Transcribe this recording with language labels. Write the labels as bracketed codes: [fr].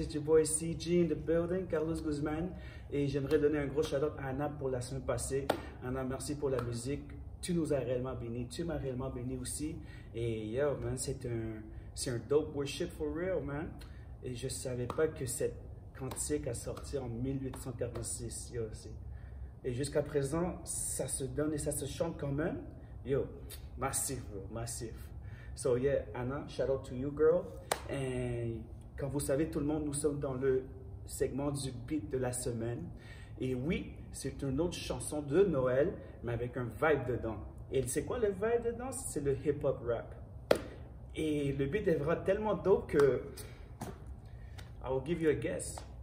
[en] It's your boy CG in the building, Carlos Guzman. [fr] Et j'aimerais donner un gros shout-out à Anna pour la semaine passée. Anna, merci pour la musique. Tu nous as réellement bénis. Tu m'as réellement béni aussi. [en] Et yo, man, [fr] c'est un [en] dope worship for real, man. [fr] Et je savais pas que cette cantique a sorti en 1846. Yo, c'est... Et jusqu'à présent, ça se donne et ça se chante quand même. [en] Yo, massive, bro, massive. So yeah, Anna, shout out to you, girl. [fr] Et comme vous savez, tout le monde, nous sommes dans le segment du beat de la semaine. Et oui, c'est une autre chanson de Noël, mais avec un vibe dedans. Et c'est quoi le vibe dedans? C'est le hip-hop rap. Et le beat est vraiment tellement dope que... [en] I will give you a guess.